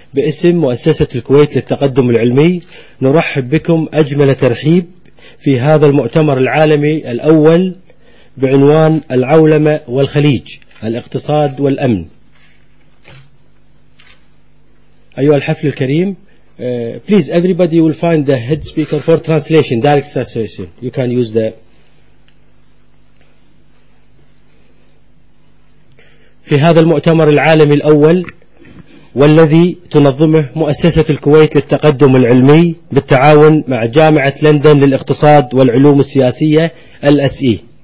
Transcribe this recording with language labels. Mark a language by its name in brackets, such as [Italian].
[Arabic] باسم مؤسسة الكويت للتقدم العلمي نرحب بكم أجمل ترحيب في هذا المؤتمر العالمي الأول بعنوان العولمة والخليج الاقتصاد والأمن. أيها الحفل الكريم, [English] please everybody will find the head speaker for translation, direct translation. You can use the [Arabic] في هذا المؤتمر العالمي الأول والذي تنظمه مؤسسة الكويت للتقدم العلمي بالتعاون مع جامعة لندن للاقتصاد والعلوم السياسية LSE.